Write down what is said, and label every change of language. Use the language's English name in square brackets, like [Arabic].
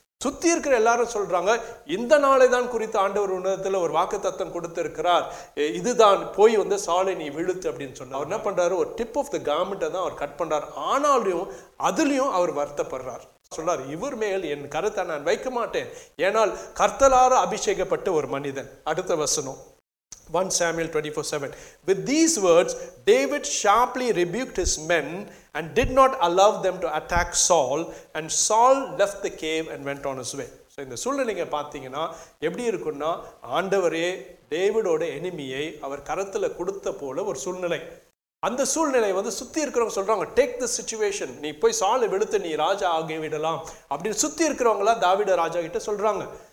[Tamil] சுத்தி இருக்கிற எல்லாரும் சொல்றாங்க, இந்த நாளை தான் குறித்த ஆண்டவர் உன்னதத்தில் ஒரு வாக்கு தத்தம் கொடுத்திருக்கிறார், இதுதான் போய் வந்து சாலை நீ விழுத்து அப்படின்னு சொன்னார். அவர் என்ன பண்றாரு, ஒரு [English] tip of the கார்மெண்ட்டை [Tamil] தான் அவர் கட் பண்றாரு. ஆனாலும் அதுலயும் அவர் வருத்தப்படுறார், சொல்றாரு, இவர் மேல் என் கருத்தை நான் வைக்க மாட்டேன், ஏனால் கர்த்தலார அபிஷேகப்பட்ட ஒரு மனிதன். அடுத்த வசனம் [English] 1 Samuel 24:7, with these words David sharply rebuked his men and did not allow them to attack Saul, and Saul left the cave and went on his way. [Tamil] So இந்த சூழ்நிலையை பார்த்தீங்கன்னா எப்படி இருக்குன்னா, ஆண்டவரே டேவிடோட எனிமியை அவர் கரத்துல கொடுத்த போல ஒரு சூழ்நிலை. அந்த சூழ்நிலையை வந்து சுத்தி இருக்கிறவங்க சொல்றாங்க, [English] take the situation, [Tamil] நீ போய் சாலை விழுத்து நீ ராஜா ஆகிவிடலாம் அப்படின்னு சுத்தி இருக்கிறவங்களா தாவீது ராஜா கிட்ட சொல்றாங்க.